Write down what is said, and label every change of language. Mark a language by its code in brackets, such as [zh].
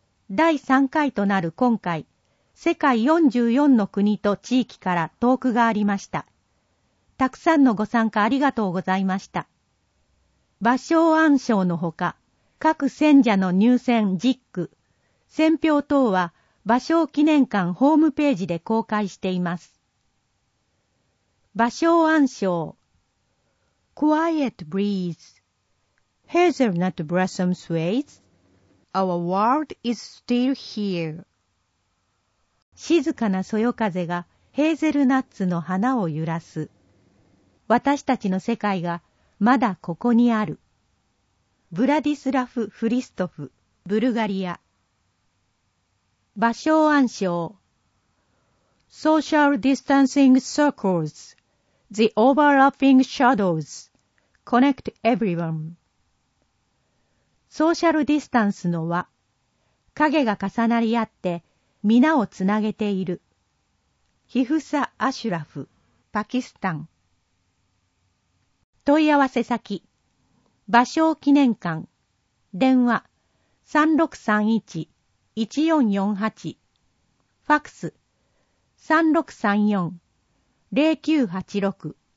[ja] 第3回となる今回、世界44の国と地域から投句がありました。たくさんのご参加ありがとうございました。芭蕉庵賞のほか、各選者の入選10句、選評等は芭蕉記念館ホームページで公開しています。 [en] 芭蕉庵賞、 Quiet breeze, hazelnut blossom sways, our world is still here. [ja] 静かなそよ風がヘーゼルナッツの花を揺らす。私たちの世界がまだここにある。ヴラディスラフ・フリストフ、ブルガリア。芭蕉庵賞。 [en] Social distancing circles, the overlapping shadows, connect everyone. [ja] ソーシャルディスタンスの輪、影が重なり合って、皆をつなげている。ヒフサ・アシュラフ、パキスタン。問い合わせ先、芭蕉記念館、電話 3631-1448、 ファクス 3634-0986、